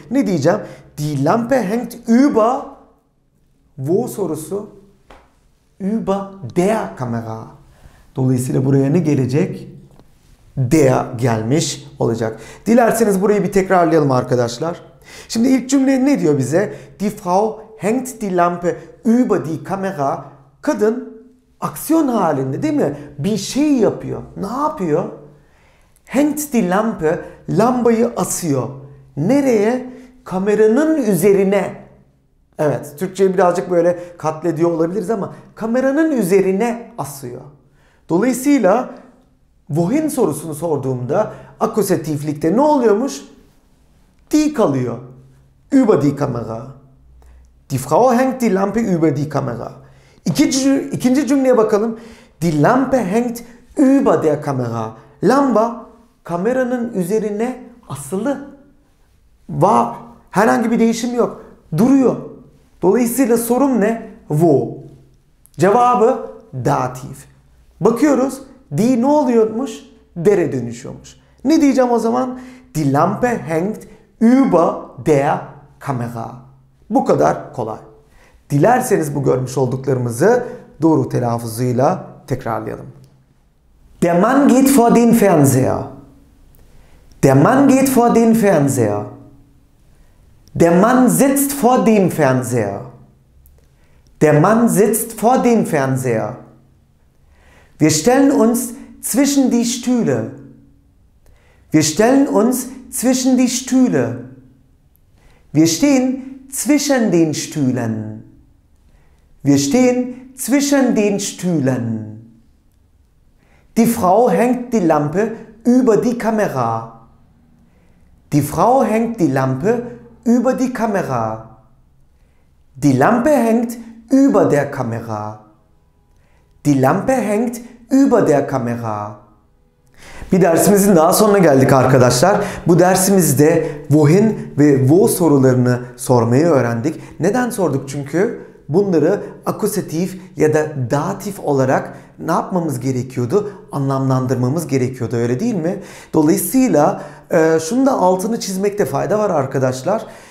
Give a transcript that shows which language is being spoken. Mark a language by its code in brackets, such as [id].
[tr] Ne diyeceğim? [de] Die Lampe hängt Üba. [tr] Wo sorusu? [de] Über der Kamera. [tr] Dolayısıyla buraya ne gelecek? Der gelmiş olacak. Dilerseniz burayı bir tekrarlayalım arkadaşlar. Şimdi ilk cümle ne diyor bize? [de] Die Frau hängt die Lampe über die Kamera. [tr] Kadın aksiyon halinde değil mi? Bir şey yapıyor. Ne yapıyor? [de] Hängt die Lampe, [tr] lambayı asıyor. Nereye? Kameranın üzerine. Evet, Türkçe'yi birazcık böyle katlediyor olabiliriz ama kameranın üzerine asıyor. Dolayısıyla wohin sorusunu sorduğumda akusatiflikte ne oluyormuş? [de] Die [tr] kalıyor. [de] Über die Kamera. Die Frau hängt die Lampe über die Kamera. [tr] İkinci cümleye bakalım. [de] Die Lampe hängt über der Kamera. [tr] Lamba kameranın üzerine asılı. Var. Herhangi bir değişim yok. Duruyor. Dolayısıyla sorum ne? Wo. Cevabı dativ. Bakıyoruz. Die ne oluyormuş? Dere dönüşüyormuş. Ne diyeceğim o zaman? [de] Die Lampe hängt über der Kamera. [tr] Bu kadar kolay. Dilerseniz bu görmüş olduklarımızı doğru telaffuzuyla tekrarlayalım. [de] Der Mann geht vor den Fernseher. Der Mann geht vor den Fernseher. Der Mann sitzt vor dem Fernseher. Der Mann sitzt vor dem Fernseher. Wir stellen uns zwischen die Stühle. Wir stellen uns zwischen die Stühle. Wir stehen zwischen den Stühlen. Wir stehen zwischen den Stühlen. Die Frau hängt die Lampe über die Kamera. Die Frau hängt die Lampe über die Kamera. Die Lampe hängt über der Kamera. Die Lampe hängt über der Kamera. [tr] Bir dersimizin daha sonuna geldik arkadaşlar. Bu dersimizde wohin ve wo sorularını sormayı öğrendik. Neden sorduk? Çünkü bunları akusatif ya da datif olarak ne yapmamız gerekiyordu? Anlamlandırmamız gerekiyordu, öyle değil mi? Dolayısıyla şunu da altını çizmekte fayda var arkadaşlar.